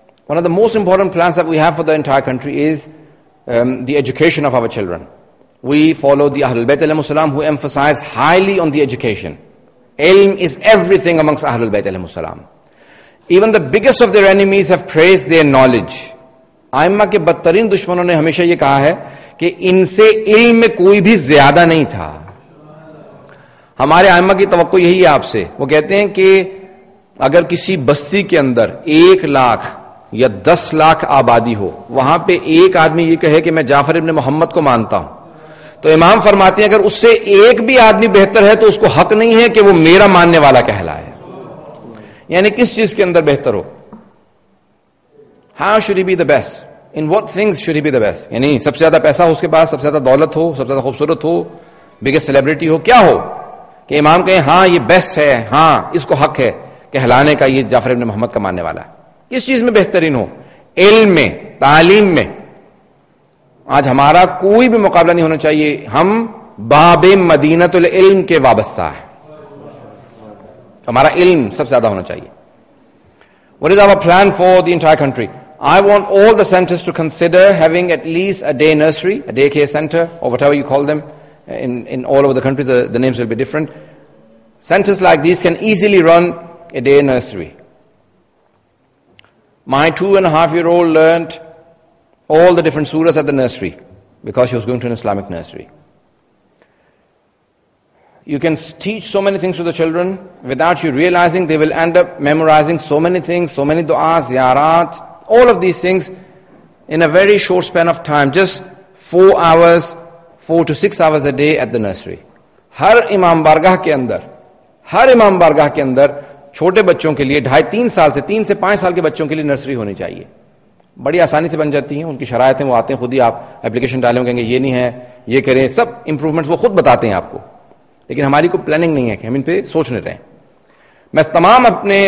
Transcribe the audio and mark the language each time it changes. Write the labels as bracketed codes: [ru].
[en] One of the most important plans that we have for the entire country is the education of our children. We follow the Ahlul Bayt alayhimus salam, who emphasize highly on the education. Ilm is everything amongst Ahlul Bayt alayhimus salam. Even the biggest of their enemies have praised their knowledge. [ur] ائمہ کے بدترین دشمنوں نے ہمیشہ یہ کہا ہے کہ ان سے علم میں کوئی بھی زیادہ نہیں تھا۔ ہمارے ائمہ کی توقع یہی ہے آپ سے۔ وہ کہتے ہیں کہ اگر کسی بستی کے اندر 1 لاکھ یا 10 لاکھ آبادی ہو، وہاں پہ ایک آدمی یہ کہے کہ میں جعفر ابن محمد کو مانتا ہوں، تو امام فرماتے ہیں اگر اس سے ایک بھی آدمی بہتر ہے تو اس کو حق نہیں ہے کہ وہ میرا ماننے والا کہلائے۔ یعنی کس چیز کے اندر بہتر ہو؟ [en] How should he be the best? In what things should he be the best? [ur] یعنی سب سے زیادہ پیسہ ہو اس کے پاس، سب سے زیادہ دولت ہو، سب سے زیادہ خوبصورت ہو، [en] biggest celebrity [ur] ہو، کیا ہو کہ امام کہے ہاں یہ best ہے، ہاں اس کو حق ہے کہلانے کا، یہ جعفر ابن محمد کا ماننے والا ہے۔ کس چیز میں بہترین ہو؟ علم میں، تعلیم میں۔ آج ہمارا کوئی بھی مقابلہ نہیں ہونا چاہیے۔ ہم بابِ مدینۃ العلم کے وابستہ ہیں۔ ہمارا علم سب سے زیادہ ہونا چاہیے۔ [en] What is our plan for the entire country? I want all the centers to consider having at least a day nursery, a daycare center, or whatever you call them. In all over the country, the names will be different. Centers like these can easily run a day nursery. My 2.5-year-old learned all the different surahs at the nursery because she was going to an Islamic nursery. You can teach so many things to the children without you realizing, they will end up memorizing so many things, so many du'as, ziyarat, all of these things in a very short span of time, just 4 hours, 4 to 6 hours a day at the nursery. [ur] ہر امام بارگاہ کے اندر، ہر امام بارگاہ کے اندر، چھوٹے بچوں کے لیے، 3.5 سال سے، 3 سے 5 سال کے بچوں کے لیے نرسری ہونی چاہیے۔ بڑی آسانی سے بن جاتی ہیں، ان کی شرائط، وہ آتے ہیں خود ہی، آپ application ڈالیں گے، کہیں گے یہ نہیں ہے، یہ کریں، سب improvements وہ خود بتاتے ہیں آپ کو۔ لیکن ہماری کو planning نہیں ہے، کہ ہم ان پہ سوچ نہیں رہے۔ میں تمام اپنے